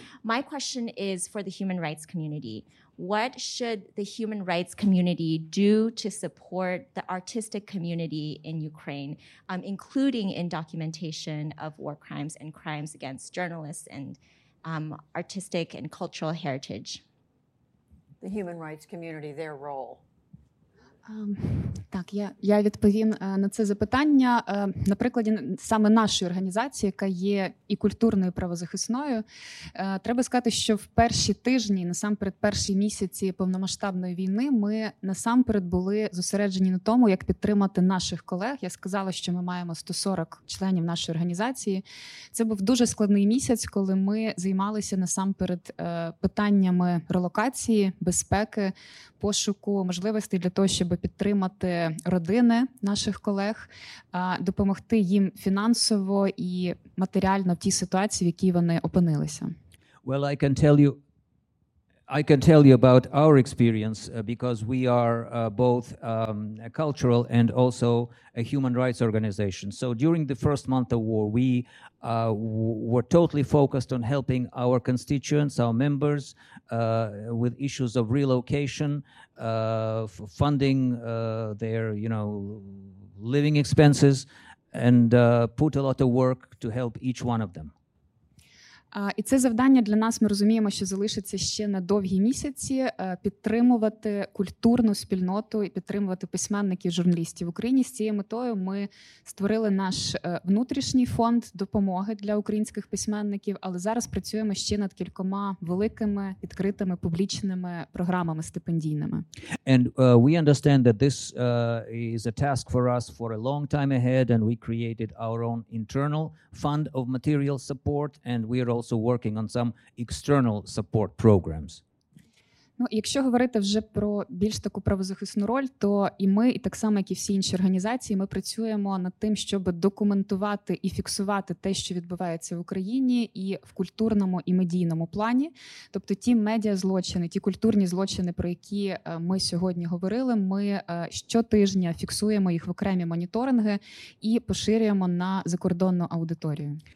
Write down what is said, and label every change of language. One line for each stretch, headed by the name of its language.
English: My question is for the human rights community. What should the human rights community do to support the artistic community in Ukraine, including in documentation of war crimes and crimes against journalists and artistic and cultural heritage? The human rights community, their role.
Ukrainian: Так, я відповім на це запитання. На прикладі саме нашої організації, яка є і культурною, і правозахисною, треба сказати, що в перші тижні, насамперед перші місяці повномасштабної війни, ми насамперед були зосереджені на тому, як підтримати наших колег. Я сказала, що ми маємо 140 членів нашої організації. Це був дуже складний місяць, коли ми займалися насамперед питаннями релокації, безпеки, пошуку можливостей для того, щоб підтримати родини наших колег, допомогти їм фінансово і матеріально в тій ситуації, в якій вони опинилися.
English: Well, I can tell you about our experience because we are both a cultural and also a human rights organization. So during the first month of war, we were totally focused on helping our constituents, our members, with issues of relocation, funding their, you know, living expenses, and put a lot of work to help each one of them.
Ukrainian: І це завдання для нас, ми розуміємо, що залишиться ще на довгі місяці, підтримувати культурну спільноту і підтримувати письменників, журналістів в Україні. З цією метою ми створили наш внутрішній фонд допомоги для українських письменників, але зараз працюємо ще над кількома великими, відкритими, публічними програмами стипендійними.
English: And we understand that this is a task for us for a long time ahead, and we created our own internal fund of material support, and we are also working on some external support programs.
Ukrainian: Ну, якщо говорити вже про більш таку правозахисну роль, то і ми, і так само, як і всі інші організації, ми працюємо над тим, щоб документувати і фіксувати те, що відбувається в Україні і в культурному, і медійному плані. Тобто ті медіазлочини, ті культурні злочини, про які ми сьогодні говорили, ми щотижня фіксуємо їх в окремі моніторинги і поширюємо на закордонну аудиторію.